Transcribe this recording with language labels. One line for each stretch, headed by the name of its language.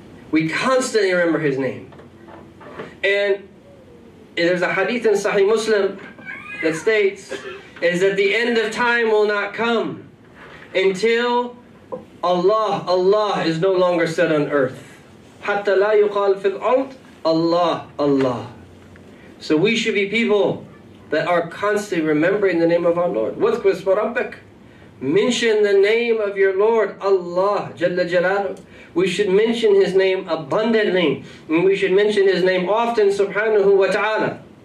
English: We constantly remember His name. And there's a hadith in Sahih Muslim that states is that the end of time will not come until Allah, Allah is no longer said on earth.
Arabic: حَتَّى لَا يُقَالْ فِي الْأَرْضِ Allah, Allah.
English: So we should be people that are constantly remembering the name of our Lord.
Arabic: وَذْكُرْ اسْمَ رَبَّكَ
English: Mention the name of your Lord, Allah, Jalla Jalaluhu. We should mention His name abundantly. And we should mention His name often, subhanahu wa ta'ala.